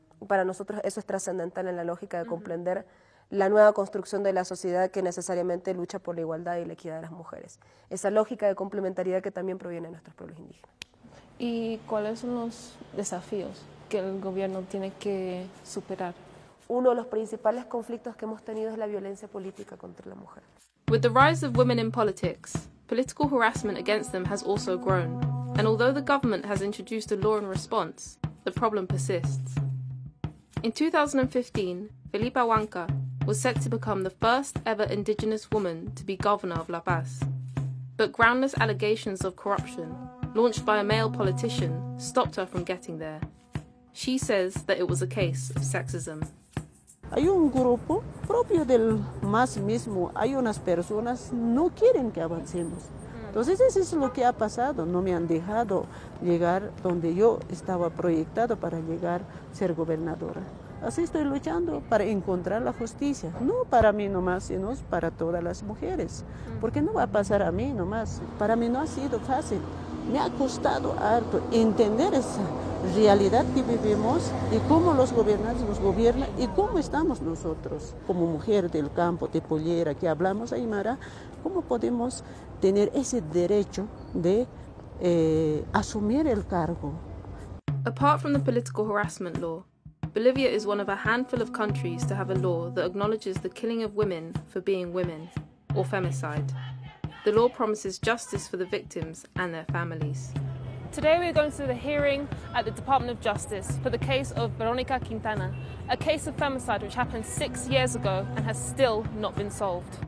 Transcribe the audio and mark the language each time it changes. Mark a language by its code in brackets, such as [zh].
[es] Para nosotros eso es trascendental en la lógica de comprender la nueva construcción de la sociedad que necesariamente lucha por la igualdad y la equidad de las mujeres. Esa lógica de complementariedad que también proviene de nuestros pueblos indígenas. ¿Y cuáles son los desafíos que el gobierno tiene que superar? Uno de los principales conflictos que hemos tenido es la violencia política contra la mujer. [en] With the rise of women in politics, political harassment against them has also grown, and although the government has introduced a law in response, the problem persists. In 2015, Felipa Huanca was set to become the first ever indigenous woman to be governor of La Paz. But groundless allegations of corruption, launched by a male politician, stopped her from getting there. She says that it was a case of sexism. [es] Hay un grupo propio del MAS mismo, hay unas personas no quieren que avancemos. Entonces eso es lo que ha pasado, no me han dejado llegar donde yo estaba proyectado para llegar a ser gobernadora. Así estoy luchando para encontrar la justicia, no para mí nomás, sino para todas las mujeres. Porque no va a pasar a mí nomás, para mí no ha sido fácil. Me ha costado harto entender esa realidad que vivimos y cómo los gobernantes nos gobiernan y cómo estamos nosotros, como mujer del campo, de pollera, que hablamos aymara, cómo podemos tener ese derecho de asumir el cargo. [en] Apart from the political harassment law, Bolivia is one of a handful of countries to have a law that acknowledges the killing of women for being women, or femicide. The law promises justice for the victims and their families. Today we're going to the hearing at the Department of Justice for the case of Veronica Quintana, a case of femicide which happened 6 years ago and has still not been solved.